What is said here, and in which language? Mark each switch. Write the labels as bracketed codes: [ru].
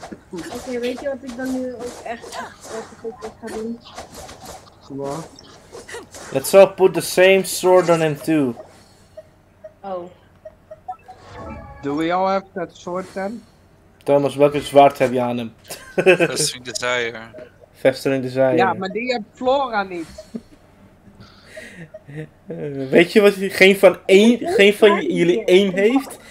[nl] Oké, weet je wat ik dan nu ook echt ga doen? [en] What? Let's all put the same sword on him too. Oh. Do we all have that sword then? [nl] Thomas, welke zwaard heb je aan hem? [en] Festering Desire. Festering Desire. [nl] Ja, maar die heeft Flora niet. Weet je wat geen van jullie één heeft?